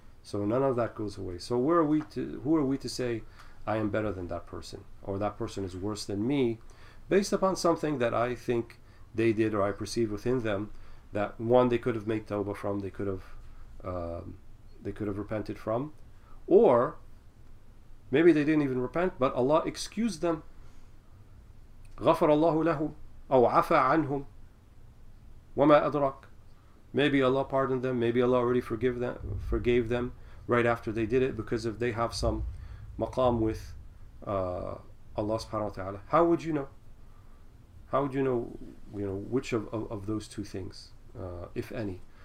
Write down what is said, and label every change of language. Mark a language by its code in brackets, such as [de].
[en] So none of that goes away. So who are we to say, I am better than that person, or that person is worse than me, based upon something that I think they did, or I perceive within them that, one, they could have made tawbah from, they could have repented from, or maybe they didn't even repent, but Allah excused them. [ar] غفر الله لهم أو عفى عنهم وما أدرك. [en] Maybe Allah pardoned them. Maybe Allah already forgave them right after they did it, because if they have some maqam with Allah subhanahu wa ta'ala. How would you know? How would you know, which of those two things, if any?